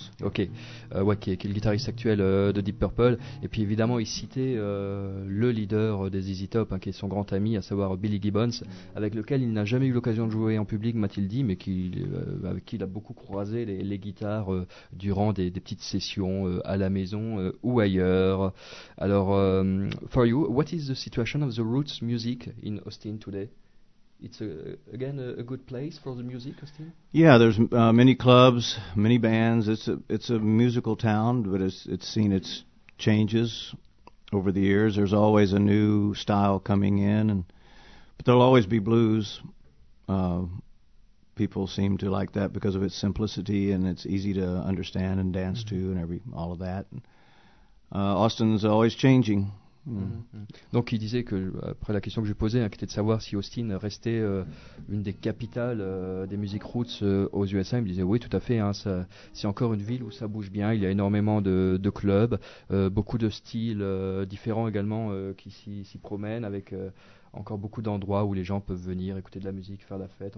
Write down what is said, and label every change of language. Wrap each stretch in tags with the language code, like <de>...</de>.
<fr>Qui est le guitariste actuel de Deep Purple. Et puis évidemment, il citait le leader des ZZ Top, hein, qui est son grand ami, à savoir Billy Gibbons, avec lequel il n'a jamais eu l'occasion de jouer en public, m'a-t-il dit, mais avec qui il a beaucoup croisé les guitares durant des petites sessions à la maison ou ailleurs.</fr> <en>Alors, for you, what is the situation of the roots music in Austin today? It's a good place for the music, Austin? Yeah, there's many clubs, many bands. It's a musical town, but it's seen its changes over the years. There's always a new style coming in, but there'll always be blues. People seem to like that because of its simplicity, and it's easy to understand and dance mm-hmm. to and all of that. Austin's always changing.</en> <fr>Donc il disait que, après la question que je lui posais, hein, qui était de savoir si Austin restait une des capitales des musiques roots aux USA, il me disait oui, tout à fait, hein, ça, c'est encore une ville où ça bouge bien, il y a énormément de clubs, beaucoup de styles différents également qui s'y promènent, avec encore beaucoup d'endroits où les gens peuvent venir écouter de la musique, faire la fête.</fr>